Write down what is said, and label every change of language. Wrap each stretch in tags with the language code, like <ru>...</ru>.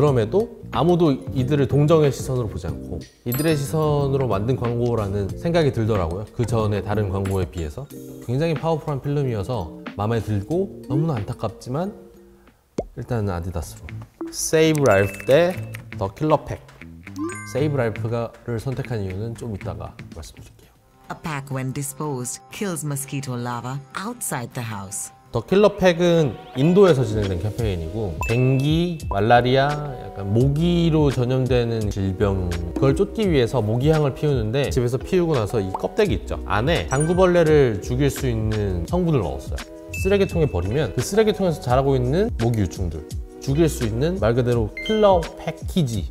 <ko>그럼에도 아무도 이들을 동정의 시선으로 보지 않고 이들의 시선으로 만든 광고라는 생각이 들더라고요. 그 전에 다른 광고에 비해서 굉장히 파워풀한 필름이어서 마음에 들고, 너무나 안타깝지만 일단은 아디다스로 Save Life 대 The Killer Pack. Save Life를 선택한 이유는 좀 이따가 말씀드릴게요.</ko> <en>A pack when disposed kills mosquito larva outside the house.</en> <ko>더 킬러 팩은 인도에서 진행된 캠페인이고, 뎅기, 말라리아, 약간 모기로 전염되는 질병, 그걸 쫓기 위해서 모기향을 피우는데, 집에서 피우고 나서 이 껍데기 있죠, 안에 당구벌레를 죽일 수 있는 성분을 넣었어요. 쓰레기통에 버리면 그 쓰레기통에서 자라고 있는 모기 유충들 죽일 수 있는 말 그대로 킬러 패키지.</ko>